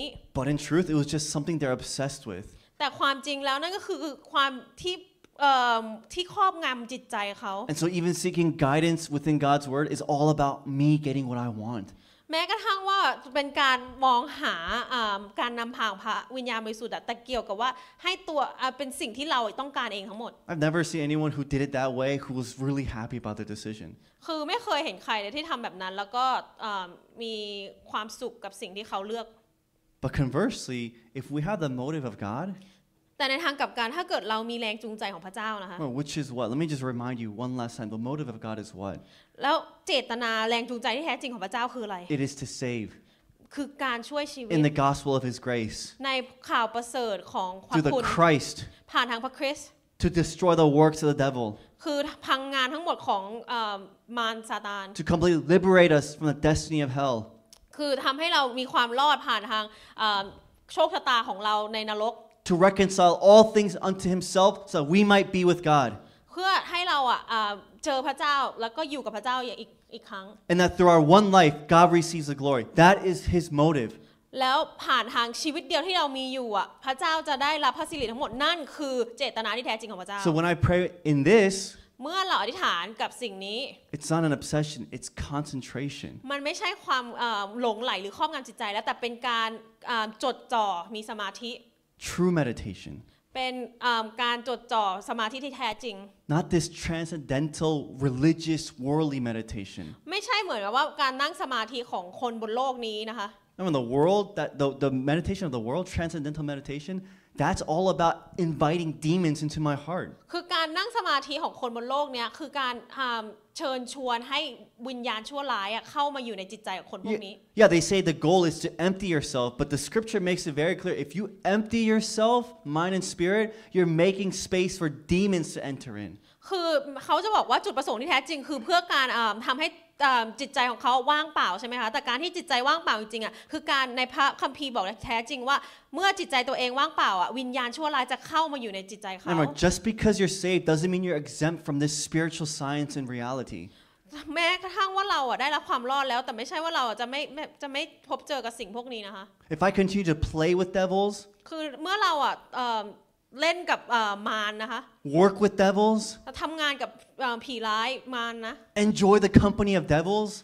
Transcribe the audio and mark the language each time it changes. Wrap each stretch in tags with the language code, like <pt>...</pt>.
<en>But in truth it was just something they're obsessed with</en> <th>แต่ความจริงแล้วนั่นก็คือความที่ ที่ครอบงำจิตใจเขา</th> <en>And so even seeking guidance within God's word is all about me getting what I want</en> <th>แม้กระทั่งว่าเป็นการมองหาการนำผ่าพระวิญญาณบริสุทธิ์แต่เกี่ยวกับว่าให้ตัวเป็นสิ่งที่เราต้องการเองทั้งหมด</th> <en>I've never seen anyone who did it that way who was really happy about the decision</en> <th>คือไม่เคยเห็นใครเลยที่ทำแบบนั้นแล้วก็มีความสุขกับสิ่งที่เขาเลือก</th> <en>But conversely if we have the motive of God</en> <th>แต่ในทางกลับกันถ้าเกิดเรามีแรงจูงใจของพระเจ้านะคะ</th> <en>Well, which is what? Let me just remind you one last time. The motive of God is what?</en> <th>แล้วเจตนาแรงจูงใจที่แท้จริงของพระเจ้าคืออะไร</th> <en>It is to save.</en> <th>คือการช่วยชีวิต</th> <en>In the gospel of His grace.</en> <th>ในข่าวประเสริฐของพระคุณ</th> <en>Through the Christ.</en> <th>ผ่านทางพระคริสต์</th> <en>To destroy the works of the devil.</en> <th>คือพังงานทั้งหมดของมารซาตาน</th> <en>To completely liberate us from the destiny of hell.</en> <th>คือทำให้เรามีความรอดผ่านทางโชคชะตาของเราในนรก</th> <en>To reconcile all things unto Himself, so we might be with God.</en> <th>เพื่อให้เราเจอพระเจ้าแล้วก็อยู่กับพระเจ้าอีกครั้ง</th> <en>And that through our one life, God receives the glory. That is His motive.</en> <th>แล้วผ่านทางชีวิตเดียวที่เรามีอยู่พระเจ้าจะได้รับพระสิริทั้งหมดนั่นคือเจตนาที่แท้จริงของพระเจ้า</th> <en>So when I pray in this,</en> <th>เมื่อเราอธิษฐานกับสิ่งนี้</th> <en>It's not an obsession. It's concentration.</en> <th>มันไม่ใช่ความหลงไหลหรือครอบงำจิตใจแล้วแต่เป็นการจดจ่อมีสมาธิ</th> <en>True meditation.</en> <th>เป็นการจดจ่อสมาธิที่แท้จริง</th> <en>Not this transcendental religious worldly meditation.</en> <th>ไม่ใช่เหมือนว่าการนั่งสมาธิของคนบนโลกนี้นะคะ</th> <en>I mean the world that the meditation of the world, transcendental meditation, that's all about inviting demons into my heart.</en> <th>คือการนั่งสมาธิของคนบนโลกเนี้ยคือการเชิญชวนให้วิญญาณชั่วร้ายเข้ามาอยู่ในจิตใจของคนพวกนี้</th> <en>Yeah, they say the goal is to empty yourself, but the scripture makes it very clear. If you empty yourself, mind and spirit, you're making space for demons to enter in.</en> <th>คือเขาจะบอกว่าจุดประสงค์ที่แท้จริงคือเพื่อการทำให้จิตใจของเขาว่างเปล่าใช่ไหมคะแต่การที่จิตใจว่างเปล่าจริงๆคือการในพระคัมภีร์บอกแท้จริงว่าเมื่อจิตใจตัวเองว่างเปล่าวิญญาณชั่วร้ายจะเข้ามาอยู่ในจิตใจเขา</th> <en>Just because you're saved doesn't mean you're exempt from this spiritual science and reality</en> <th>แม้กระทั่งว่าเราได้รับความรอดแล้วแต่ไม่ใช่ว่าเราจะไม่พบเจอกับสิ่งพวกนี้นะคะ</th> <en>If I continue to play with devils</en> <th>คือเมื่อเราเล่นกับมารนะคะ</th> <en>Work with devils</en> <th>ทำงานกับผีร้ายมารนะ</th> <en>Enjoy the company of devils</en>